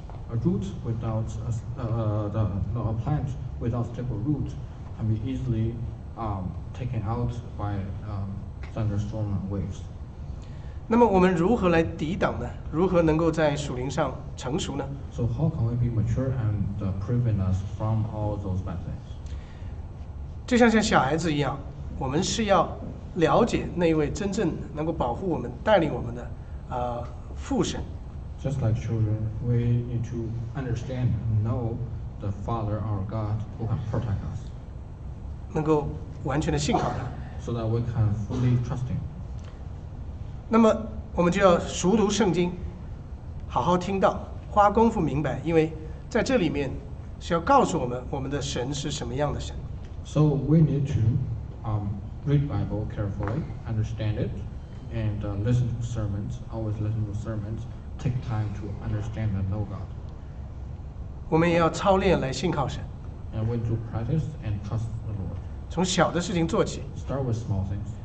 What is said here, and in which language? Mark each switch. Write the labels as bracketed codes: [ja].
[en] A root without a plant without stable root can be easily taken out by thunderstorm and waves. [zh] 那么我们如何来抵挡呢？如何能够在属灵上成熟呢？ [en] So how can we be mature and prevent us from all those bad things? [zh] 就像小孩子一样，我们是要了解那位真正能够保护我们、带领我们的父神。 [en] Just like children, we need to understand and know the Father, our God, who can protect us. [zh] 能够完全的信靠他。 [en] So that we can fully trust him. [zh] 那么我们就要熟读圣经，好好听到，花功夫明白，因为在这里面是要告诉我们，我们的神是什么样的神。 [en] So we need to read Bible carefully, understand it, and listen to sermons, always listen to sermons, take time to understand and know God. [zh] 我们也要操练来信靠神。 [en] And we need to practice and trust the Lord. [zh] 从小的事情做起。 [en] Start with small things.